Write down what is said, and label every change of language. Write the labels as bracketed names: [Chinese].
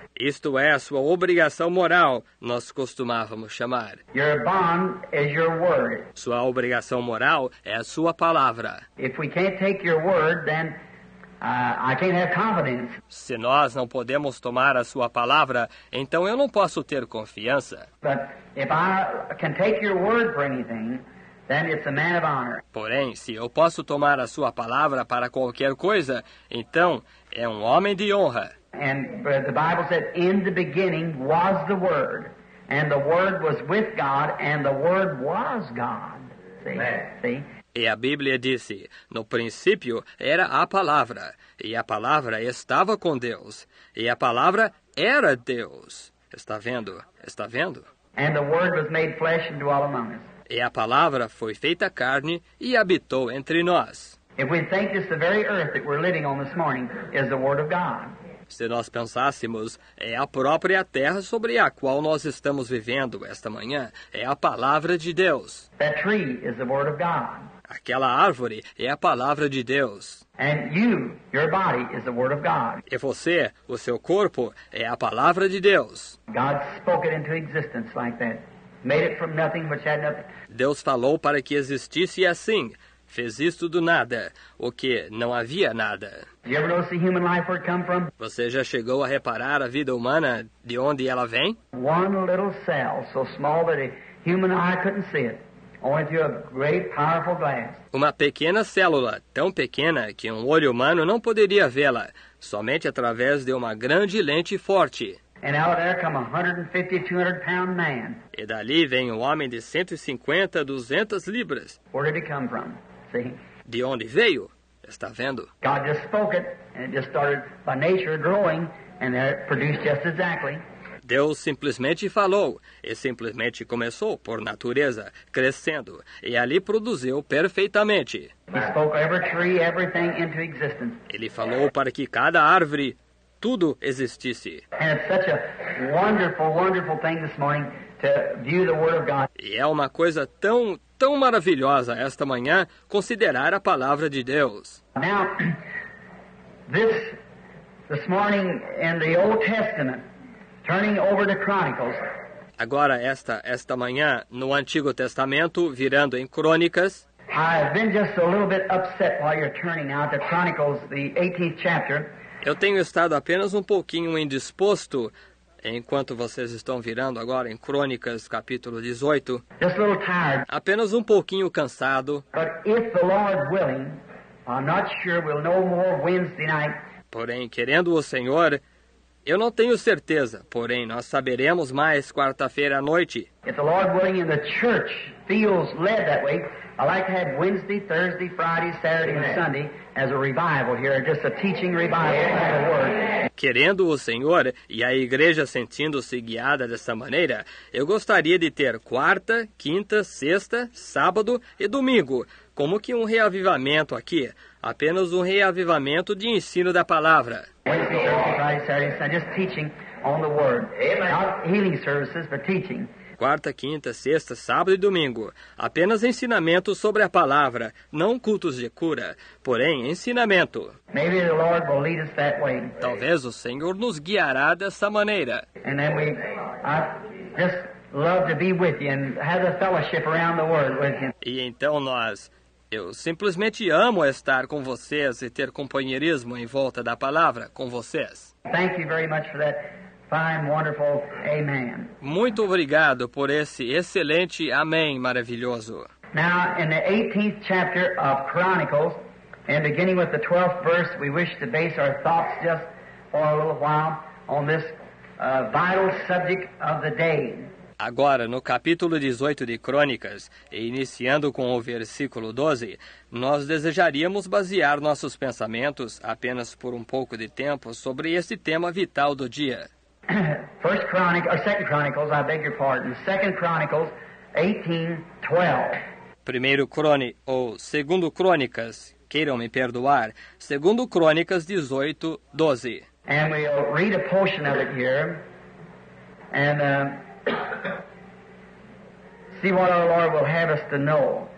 [Portuguese] Isto é a sua obrigação moral, nós costumávamos chamar. [English] Your bond is your word. [Portuguese] Sua obrigação moral é a sua palavra. [English] If we can't take your word, then I can't have confidence. [Portuguese] Se nós não podemos tomar a sua palavra, então eu não posso ter confiança. [English] But if I can take your word for anything, then it's a man of honor. [Portuguese] Porém, se eu posso tomar a sua palavra para qualquer coisa, então é um homem de honra. [English] And the Bible said, in the beginning was the Word, and the Word was with God, and the Word was God. See? [Portuguese] E a Bíblia disse, no princípio era a palavra, e a palavra estava com Deus, e a palavra era Deus. Está vendo? Está vendo? [English] And the Word was made flesh and dwelt among us. [Portuguese] E a palavra foi feita carne e habitou entre nós. [English] If we think this the very earth that we're living on this morning is the Word of God. [Portuguese] Se nós pensássemos, é a própria terra sobre a qual nós estamos vivendo esta manhã. É a palavra de Deus. [English] That tree is the word of God. [Portuguese] Aquela árvore é a palavra de Deus. [English] And you, your body, is the word of God. [Portuguese] E você, o seu corpo, é a palavra de Deus. [English] God spoke it into existence like that. Made it from nothing which had nothing. [Portuguese] Deus falou para que existisse assim. Fez isto do nada, o que não havia nada. [English] You ever notice the human life where it come from? [Portuguese] Você já chegou a reparar a vida humana de onde ela vem? [English] One little cell, so small that a human eye couldn't see it, only through a great, powerful glass. [Portuguese] Uma pequena célula, tão pequena que um olho humano não poderia vê-la, somente através de uma grande lente forte. [English] And out there come a 150, 200 pound man. [Portuguese] E dali vem um homem de 150, 200 libras. [English] Where did he come from? [Portuguese] De onde veio? Está vendo? [English] God just spoke it, and it just started by nature growing, and it produced just exactly. [Portuguese] Deus simplesmente falou, e simplesmente começou por natureza, crescendo, e ali produziu perfeitamente. [English] He spoke every tree, everything into existence. [Portuguese] Ele falou para que cada árvore, tudo existisse. [English] And it's such a wonderful, wonderful thing this morning to view the Word of God. [Portuguese] E é uma coisa tão tão maravilhosa esta manhã considerar a palavra de Deus. [English] Now, this morning in the Old Testament, turning over to Chronicles. [Portuguese] Agora esta manhã no Antigo Testamento, virando em Crônicas. [English] I've been just a little bit upset while you're turning out the Chronicles, the 18th chapter. [Portuguese] Eu tenho estado apenas um pouquinho indisposto. Enquanto vocês estão virando agora em Crônicas, capítulo 18. [English] Just a little tired. [Portuguese] Apenas um pouquinho cansado. [English] But if the Lord willing, I'm not sure we'll know more Wednesday night. [Portuguese] Porém, querendo o Senhor, eu não tenho certeza. Porém, nós saberemos mais quarta-feira à noite. [English] If the Lord willing and the church feels led that way, I'd like to have Wednesday, Thursday, Friday, Saturday and Sunday as a revival here, just a teaching revival of the word. [Portuguese] Querendo o Senhor e a igreja sentindo-se guiada dessa maneira, eu gostaria de ter quarta, quinta, sexta, sábado e domingo, como que um reavivamento aqui, apenas um reavivamento de ensino da palavra. [English] Wednesday, Thursday, Friday, Saturday, Sunday, just teaching on the word. Amen. Not healing services, but teaching. [Portuguese] Quarta, quinta, sexta, sábado e domingo. Apenas ensinamento sobre a palavra, não cultos de cura, porém ensinamento. [English] Maybe the Lord will lead us that way. [Portuguese] Talvez o Senhor nos guiará dessa maneira. [English] And then I just love to be with you and have a fellowship around the word with you. [Portuguese] E então nós, eu simplesmente amo estar com vocês e ter companheirismo em volta da palavra com vocês. [English] Thank you very much for that. Fine, wonderful, amen. [Portuguese] Muito obrigado por esse excelente amém maravilhoso. [English] Now, in the 18th chapter of Chronicles, and beginning with the 12th verse, we wish to base our thoughts just for a little while on this vital subject of the day. [Portuguese] Agora, no capítulo 18 de Crônicas, e iniciando com o versículo 12, nós desejaríamos basear nossos pensamentos apenas por um pouco de tempo sobre esse tema vital do dia. [English] 1 Chronicles, or 2 Chronicles, I beg your pardon, 2 Chronicles 18:12. [Portuguese] Primeiro ou Segundo Crônicas, queiram me perdoar. Segundo Crônicas 18, 12. [English] And we'll read a portion of it here. And see what our Lord will have us to know.